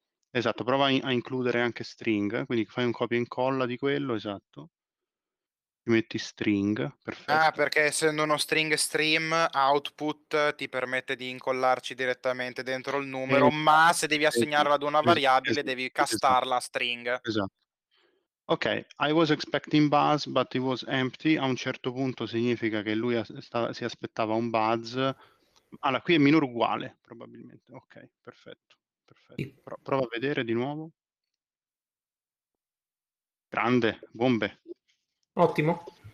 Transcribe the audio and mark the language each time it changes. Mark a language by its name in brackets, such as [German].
[Italian] Esatto, prova a includere anche string, quindi fai un copia e incolla di quello, esatto. Metti string, perfetto. Ah, perché essendo uno string stream output ti permette di incollarci direttamente dentro il numero, ma se devi assegnarla ad una variabile devi castarla a string. Esatto. [English] Ok, I was expecting buzz but it was empty. [Italian] A un certo punto significa che lui si aspettava un buzz. Allora, qui è minore uguale, probabilmente. Ok, perfetto. Prova a vedere di nuovo. Grande, bombe. Ottimo.